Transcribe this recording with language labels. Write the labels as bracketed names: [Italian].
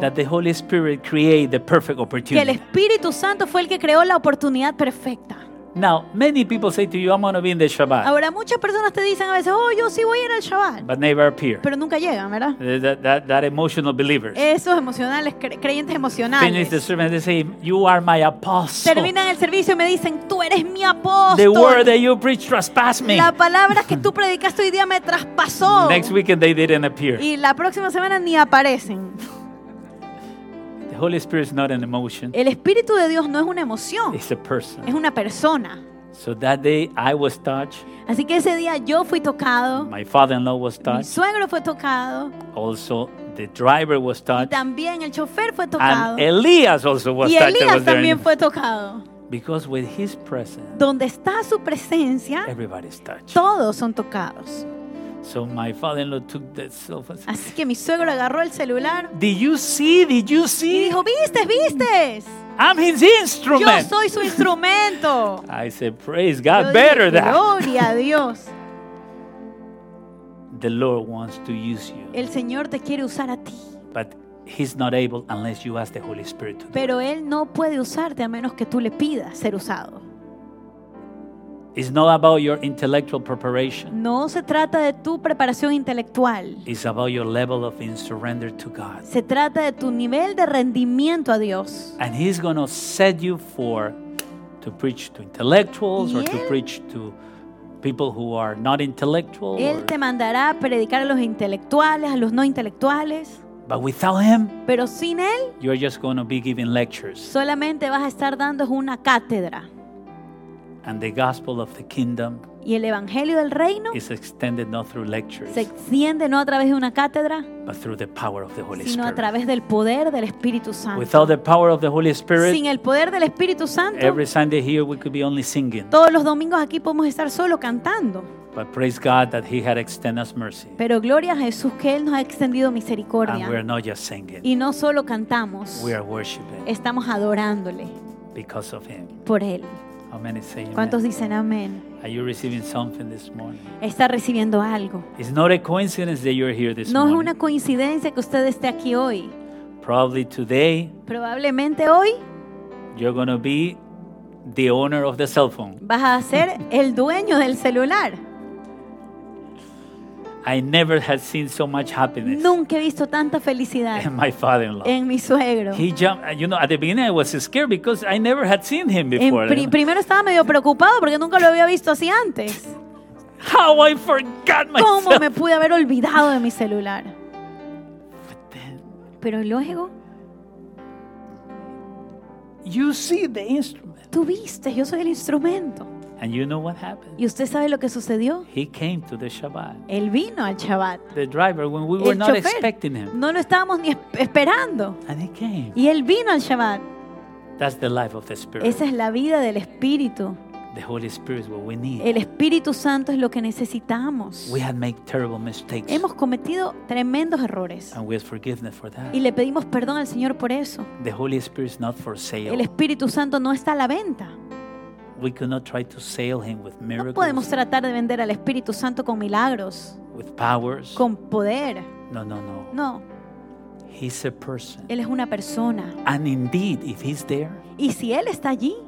[English] That the Holy Spirit created the perfect opportunity. [Spanish] Que el Espíritu Santo fue el que creó la oportunidad perfecta. [English] Now, many people say to you, "I'm going to be in the Shabbat." [Spanish] Ahora muchas personas te dicen a veces, "Oh, yo sí voy a ir al Shabbat." [English] But never appear. [Spanish] Pero nunca llegan, ¿verdad? [English] That emotional believers. [Spanish] Esos emocionales, creyentes emocionales. [English] Finish the service, they say, "You are my apostle." [Spanish] Terminan el servicio y me dicen, "Tú eres mi apóstol." [English] The word that you preached trespassed me. [Spanish] La palabra que tú predicaste hoy día me traspasó. [English] Next weekend they didn't appear. [Spanish] Y la próxima semana ni aparecen. [English] The Holy Spirit is not an emotion. [Spanish] El Espíritu de Dios no es una emoción. [English] It's a person. [Spanish] Es una persona. [English] So that day I was touched. [Spanish] Así que ese día yo fui tocado. [English] My father-in-law was touched. [Spanish] Mi suegro fue tocado. [English] Also the driver was touched. [Spanish] Y también el chofer fue tocado. [English] And Elías also was touched. [Spanish] Y Elías también fue tocado. [English] Because with his presence. [Spanish] Donde está su presencia. [English] Everybody's touched. [Spanish] Todos son tocados. [English] So my father-in-law took that cell phone. [Spanish] Así que mi suegro agarró el celular. [English] Did you see? Did you see? [Spanish] Y dijo, ¿viste? [English] I'm his instrument. [Spanish] Yo soy su instrumento. [English] I said, "Praise God, better that." [Spanish] Gloria a Dios. [English] The Lord wants to use you. [Spanish] El Señor te quiere usar a ti. [English] But he's not able unless you ask the Holy Spirit to do. [Spanish] Pero él no puede usarte a menos que tú le pidas ser usado. [English] It's not about your intellectual preparation. [Spanish] No se trata de tu preparación intelectual. [English] It's about your level of surrender to God. [Spanish] Se trata de tu nivel de rendimiento a Dios. [English] And he's going to set you for to preach to intellectuals [Spanish] y [English] or to preach to people who are not intellectual. [Spanish] Él [English] or [Spanish] te mandará a predicar a los intelectuales, a los no intelectuales. [English] But without him, [Spanish] pero sin él, [English] you're just going to be giving lectures. [Spanish] Solamente vas a estar dando una cátedra. [English] And the gospel of the kingdom, [Spanish] y el evangelio del reino, [English] is extended not through lectures, [Spanish] se extiende no a través de una cátedra, [English] but through the power of the Holy [Spanish] sino [English] Spirit, [Spanish] sino a través del poder del Espíritu Santo. [English] Without the power of the Holy Spirit, [Spanish] sin el poder del Espíritu Santo, [English] every Sunday here we could be only singing, [Spanish] todos los domingos aquí podemos estar solo cantando. [English] But praise God that he had extended us mercy. [Spanish] Pero gloria a Jesús que él nos ha extendido misericordia. [English] And we are not just singing. [Spanish] Y no solo cantamos. [English] We are worshiping. [Spanish] Estamos adorándole. [English] Because of him. [Spanish] Por él. ¿Cuántos dicen amén? [English] Are you receiving something this morning? [Spanish] ¿Está recibiendo algo? [English] It's not a coincidence that you're here this [Spanish] no [English] morning. [Spanish] Es una coincidencia que usted esté aquí hoy. [English] Probably today, [Spanish] probablemente hoy [English] you're gonna be the owner of the cell phone. [Spanish] Vas a ser el dueño del celular. [English] I never had seen so much happiness. [Spanish] Nunca he visto tanta felicidad. [English] In my father-in-law. [Spanish] En mi suegro. [English] He jumped, you know, at the beginning I was scared because I never had seen him before. [Spanish] Primero estaba medio preocupado porque nunca lo había visto así antes. [English] How I forgot myself. [Spanish] ¿Cómo me pude haber olvidado de mi celular? Pero luego [English] you see the instrument. [Spanish] Tú viste, yo soy el instrumento. [English] And you know what happened? [Spanish] ¿Y usted sabe lo que sucedió? [English] He came to the Shabbat. [Spanish] Él vino al Shabbat. [English] The driver, when we [Spanish] el [English] were not [Spanish] chofer, [English] expecting him. [Spanish] No lo estábamos ni esperando. [English] And he came. [Spanish] Y él vino al Shabbat. [English] That's the life of the Spirit. [Spanish] Esa es la vida del Espíritu. [English] The Holy Spirit is what we need. [Spanish] El Espíritu Santo es lo que necesitamos. [English] We have made terrible mistakes. [Spanish] Hemos cometido tremendos errores. [English] And we ask forgiveness for that. [Spanish] Y le pedimos perdón al Señor por eso. [English] The Holy Spirit is not for sale. [Spanish] El Espíritu Santo no está a la venta. [English] We could not try to sell him with miracles. [Spanish] No podemos tratar de vender al Espíritu Santo con milagros. [English] With powers. [Spanish] Con poder. [English] No. [Spanish] No. [English] He's a person. [Spanish] Él es una persona. [English] And indeed, if he's there. [Spanish] Y si él está allí.